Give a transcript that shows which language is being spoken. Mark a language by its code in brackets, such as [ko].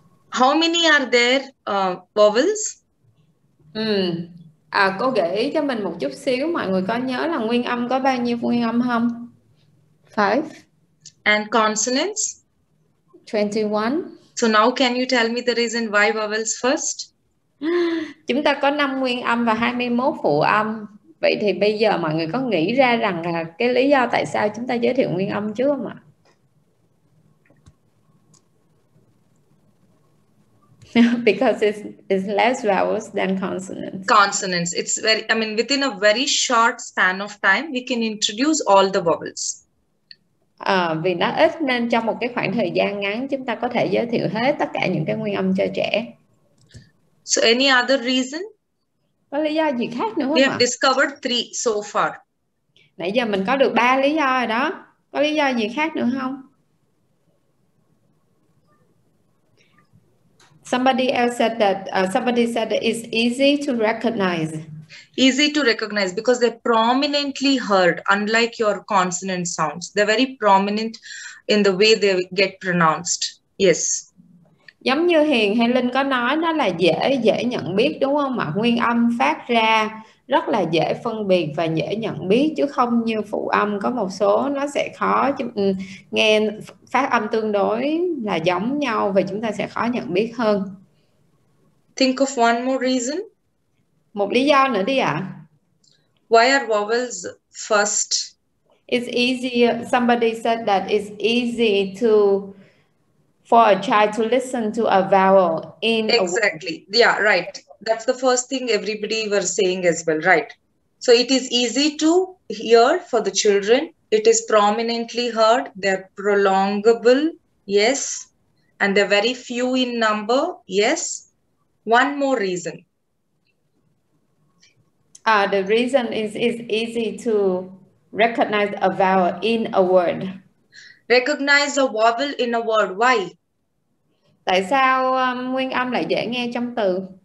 [en] How many are there vowels? [vi] Cô gợi ý cho mình một chút xíu. Mọi người có nhớ là nguyên âm có bao nhiêu nguyên âm không? [en] 5. And consonants? 21. So now can you tell me the reason why vowels first? [vi] Chúng ta có 5 nguyên âm và 21 phụ âm. Vậy thì bây giờ mọi người có nghĩ ra rằng là cái lý do tại sao chúng ta giới thiệu nguyên âm trước không ạ? [en] Because it's less vowels than consonants. Consonants. It's very, I mean, within a very short span of time, we can introduce all the vowels. [vi] Vì nó ít nên trong một cái khoảng thời gian ngắn chúng ta có thể giới thiệu hết tất cả những cái nguyên âm cho trẻ. [en] So any other reason? [vi] Có lý do gì khác nữa không ạ? [en] We have discovered three so far. [vi] Nãy giờ mình có được 3 lý do rồi đó. Có lý do gì khác nữa không? [en] Somebody said that it's easy to recognize. Easy to recognize because they're prominently heard, unlike your consonant sounds. They're very prominent in the way they get pronounced. Yes. [vi] Giống như Hiền hay Linh có nói, nó là dễ dễ nhận biết đúng không ạ? Nguyên âm phát ra rất là dễ phân biệt và dễ nhận biết, chứ không như phụ âm có một số nó sẽ khó nghe, phát âm tương đối là giống nhau và chúng ta sẽ khó nhận biết hơn. [en] Think of one more reason. [vi] Một lý do nữa đi ạ. [en] Why are vowels first? It's easier. Somebody said that it's easy to for a child to listen to a vowel in exactly. A yeah, right. That's the first thing everybody was saying as well, right? So it is easy to hear for the children. It is prominently heard. They're prolongable, yes. And they're very few in number, yes. One more reason. The reason is it's easy to recognize a vowel in a word. Recognize a vowel in a word, why? [vi] Tại sao nguyên âm lại dễ nghe trong từ?